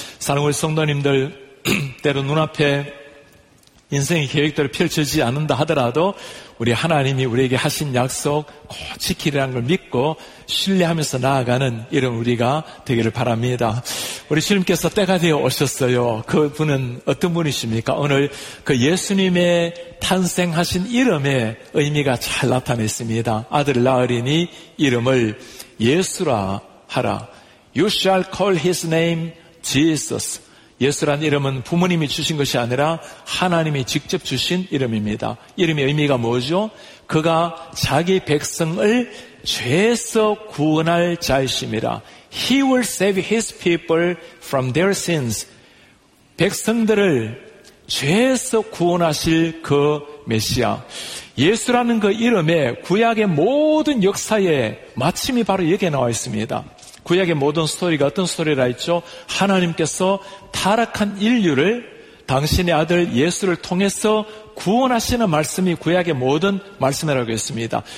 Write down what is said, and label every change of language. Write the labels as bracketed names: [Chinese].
[Korean] 사랑하는 성도님들, 때로 눈앞에 인생의 계획대로 펼쳐지지 않는다 하더라도 우리 하나님이 우리에게 하신 약속 꼭 지키리라는 걸 믿고 신뢰하면서 나아가는 이런 우리가 되기를 바랍니다. 우리 주님께서 때가 되어 오셨어요. 그분은 어떤 분이십니까? 오늘 그 예수님의 탄생하신 이름의 의미가 잘 나타나 있습니다. 아들을 낳으리니 이름을 예수라 하라. [English] You shall call his name Jesus. [Korean] 예수란 이름은 부모님이 주신 것이 아니라 하나님이 직접 주신 이름입니다. 이름의 의미가 뭐죠? 그가 자기 백성을 죄에서 구원할 자이십니다. [English] He will save his people from their sins. [Korean] 백성들을 죄에서 구원하실 그 메시아. 예수라는 그 이름에 구약의 모든 역사에 마침이 바로 여기에 나와 있습니다. 구약의 모든 스토리가 어떤 스토리라 했죠? 하나님께서 타락한 인류를 당신의 아들 예수를 통해서 구원하시는 말씀이 구약의 모든 말씀이라고 했습니다.